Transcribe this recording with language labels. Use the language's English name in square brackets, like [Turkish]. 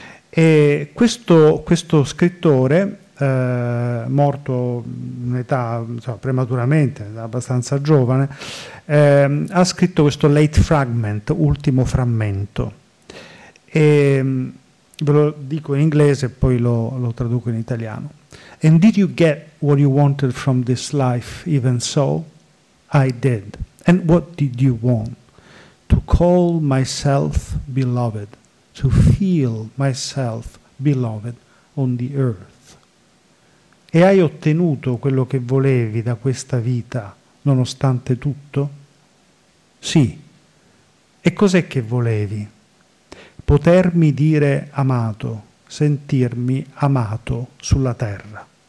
[Italian] E questo scrittore, morto in età, insomma, prematuramente, abbastanza giovane, ha scritto questo Late Fragment, ultimo frammento, e ve lo dico in inglese e poi lo traduco in italiano. [English] And did you get what you wanted from this life? Even so, I did. And what did you want? To call myself beloved, to feel myself beloved on the earth. [Italian] E hai ottenuto quello che volevi da questa vita, nonostante tutto? Sì. E cos'è che volevi? Potermi dire amato, sentirmi amato sulla terra.